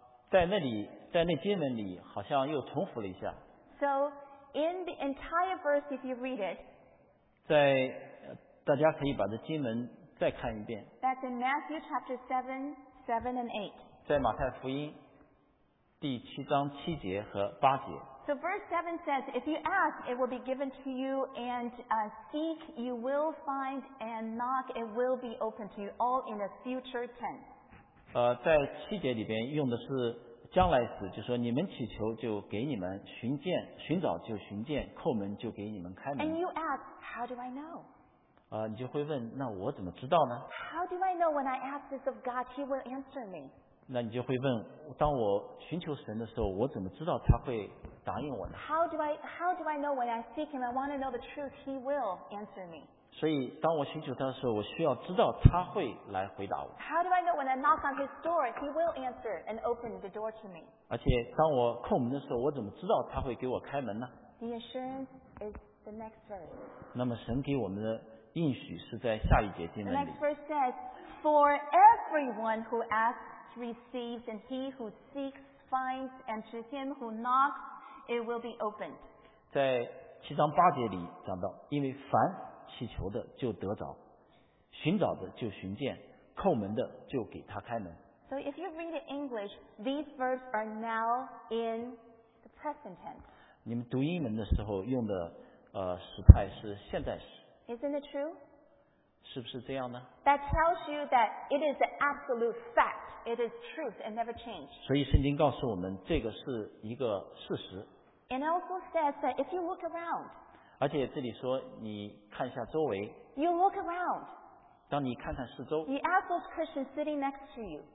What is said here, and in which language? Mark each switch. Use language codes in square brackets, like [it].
[zh] 在那里，在那经文里，好像又重复了一下。 [en] So in the entire verse, if you read it, [zh] 在大家可以把这经文再看一遍。 [en] That's in Matthew chapter 7:7 and 8. [zh] 在马太福音第七章七节和八节。 [en] So verse 7 says, if you ask, it will be given to you, and seek, you will find, and knock, it will be open to you, all in a future tense. [zh] 在七节里边用的是将来时，就说你们祈求就给你们，寻见寻找就寻见，叩门就给你们开门。 [en] And you ask, how do I know? [zh] 你就会问，那我怎么知道呢？ [en] How do I know when I ask this of God, He will answer me? [zh] 那你就会问，当我寻求神的时候，我怎么知道他会答应我呢？ [en] How do I know when I seek Him, I want to know the truth, He will answer me? [zh] 所以当我寻求他的时候，我需要知道他会来回答我。 [en] How do I know when I knock on His door, He will answer and open the door to me? [zh] 而且当我叩门的时候，我怎么知道他会给我开门呢？ [en] The assurance is the next verse. [zh] 那么神给我们的应许是在下一节经文里。 [en] The next verse says, For everyone who asks,receives, and he who seeks finds, and to him who knocks, it will be opened. [zh] 在七章八节里讲到，因为凡祈求的就得着，寻找的就寻见，叩门的就给他开门。 [en] So if you read in English, these verbs are now in the present tense. [zh] 你们读英文的时候用的时态是现在时。 [en] Isn't it true? [zh] 是不是这样呢？ [en] That tells you that it is the absolute fact. It is truth and never change. [zh] 所以圣经告诉我们这个是一个事实。 [en] And also says that if you look around, [zh] 而且这里说你看一下周围。 [en] You look around. [zh] 当你看看四周。 [en] You ask those Christians sitting next to you.